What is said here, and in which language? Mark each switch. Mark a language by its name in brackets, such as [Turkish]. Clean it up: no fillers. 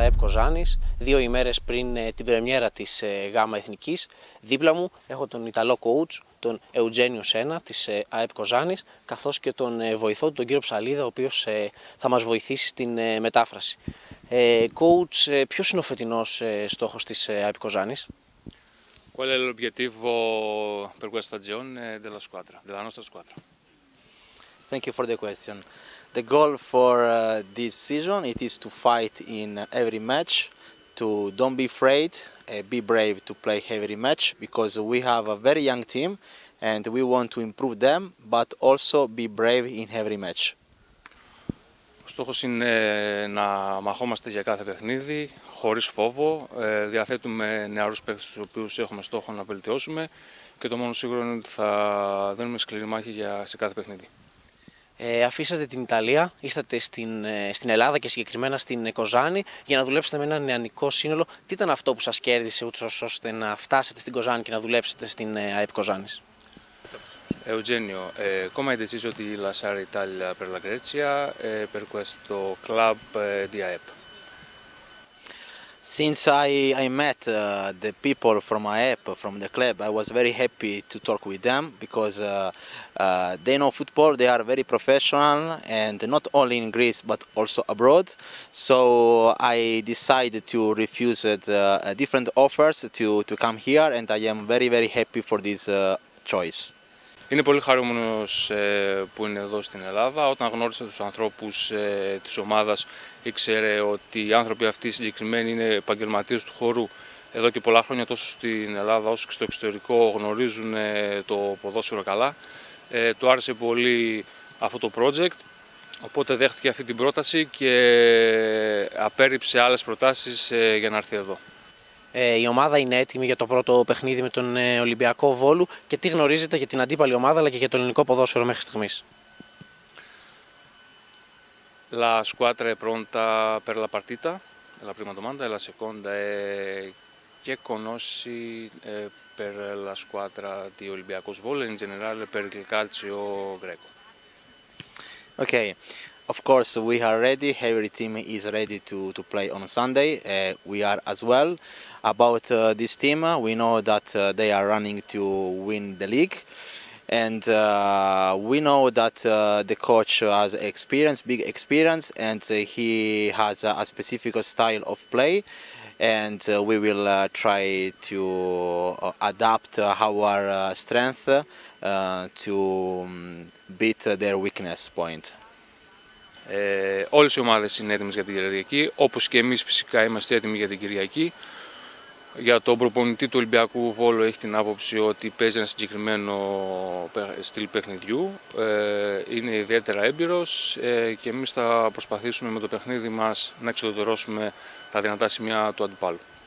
[Greek] Γιάννης, δύο ημέρες πριν την πρεμιέρα της ΓΑΜΑ Εθνικής. Δίπλα μου έχω τον Ιταλό coach, τον Eugenio Senna της ΑΕΠ Κοζάνης, καθώς και τον βοηθό του, τον κύριο Ψαλίδα, ο οποίος θα μας βοηθήσει στην μετάφραση. Coach, ποιος είναι ο φετινός στόχος της ΑΕΠ Κοζάνης? [Italian] Qual è l'obiettivo per questa stagione della squadra, della nostra squadra? [English] Thank you for the question. The goal for this season, it is to fight in every match, to don't be afraid, be brave to play every match, because we have a very young team and we want to improve them, but also be brave in every match. [Greek] Ο στόχος είναι να μαχόμαστε για κάθε παιχνίδι, χωρίς φόβο. Διαθέτουμε νεαρούς παίκτες τους οποίους έχουμε στόχο να βελτιώσουμε και το μόνο σίγουρο είναι ότι θα δίνουμε σκληρή μάχη σε κάθε παιχνίδι. Αφήσατε την Ιταλία, ήρθατε στην Ελλάδα και συγκεκριμένα στην Κοζάνη για να δουλέψετε με ένα νεανικό σύνολο. Τι ήταν αυτό που σας κέρδισε ώστε να φτάσετε στην Κοζάνη και να δουλέψετε στην ΑΕΠ Κοζάνης? [Italian] Eugenio, come hai deciso di lasciare l'Italia per la Grecia e per questo club di ΑΕΠ? [English] Since I met the people from AEP, from the club, I was very happy to talk with them because they know football, they are very professional and not only in Greece but also abroad. So I decided to refuse different offers to come here and I am very very happy for this choice. [Greek] Είναι πολύ χαρούμενος που είναι εδώ στην Ελλάδα. Όταν γνώρισε τους ανθρώπους της ομάδας, ήξερε ότι οι άνθρωποι αυτοί συγκεκριμένοι είναι επαγγελματίες του χώρου εδώ και πολλά χρόνια, τόσο στην Ελλάδα όσο και στο εξωτερικό, γνωρίζουν το ποδόσφαιρο καλά. Του άρεσε πολύ αυτό το project, οπότε δέχτηκε αυτή την πρόταση και απέρριψε άλλες προτάσεις για να έρθει εδώ. Η ομάδα είναι έτοιμη για το πρώτο παιχνίδι με τον Ολυμπιακό Βόλου και τι γνωρίζετε για την αντίπαλη ομάδα αλλά και για το ελληνικό ποδόσφαιρο μέχρι στιγμής? [Italian] La squadra è pronta per la partita, è la prima domanda, la seconda è che conosci per la squadra di Olympiacos Volley in generale per il calcio greco? [English] Ok. Of course, we are ready. Every team is ready to play on Sunday. We are as well. About this team, we know that they are running to win the league. And we know that the coach has experience, big experience, and he has a specific style of play. And we will try to adapt our strength to beat their weakness point. [Greek] Όλες οι ομάδες είναι έτοιμες για την Κυριακή, όπως και εμείς φυσικά είμαστε έτοιμοι για την Κυριακή. Για τον προπονητή του Ολυμπιακού Βόλου έχει την άποψη ότι παίζει ένα συγκεκριμένο στυλ παιχνιδιού. Είναι ιδιαίτερα έμπειρος και εμείς θα προσπαθήσουμε με το παιχνίδι μας να εξοδοτερώσουμε τα δυνατά σημεία του αντιπάλου.